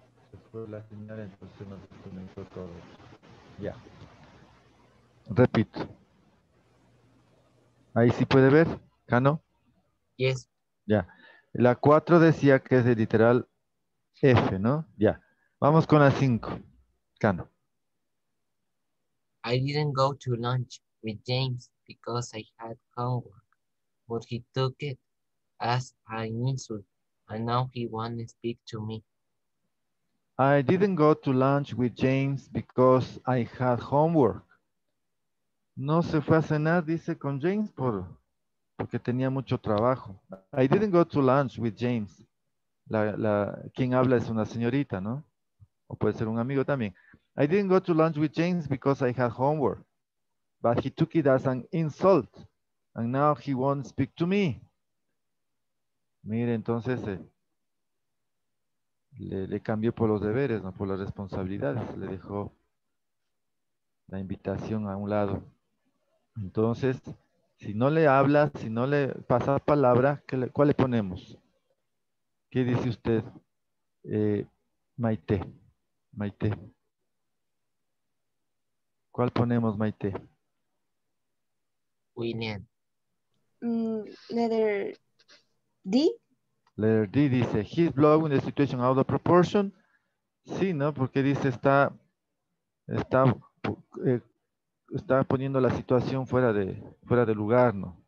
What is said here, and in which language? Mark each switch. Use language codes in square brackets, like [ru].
[es] Se fue la señal, entonces nos comentó todo. Ya. Repito. Ahí sí puede ver, Cano. [en] Yes. [es] Ya. La 4 decía que es de literal F, ¿no? Ya. Vamos con la 5. Cano. [en] I didn't go to lunch with James because I had homework, but he took it as an insult. And now he wants to speak to me. I didn't go to lunch with James because I had homework. [es] No se fue a cenar, dice, con James porque tenía mucho trabajo. [en] I didn't go to lunch with James. [es] Quien habla es una señorita, ¿no? O puede ser un amigo también. [en] I didn't go to lunch with James because I had homework. But he took it as an insult. And now he won't speak to me. [es] Mire, entonces le cambió por los deberes, no por las responsabilidades. Le dejó la invitación a un lado. Entonces, si no le habla, si no le pasa palabra, ¿cuál le ponemos? ¿Qué dice usted, Maite? Maite. ¿Cuál ponemos, Maite? William. [en] Letter D. Letter D dice, he's blowing the situation out of proportion. [es] Sí, ¿no? Porque dice, está poniendo la situación fuera de lugar, ¿no?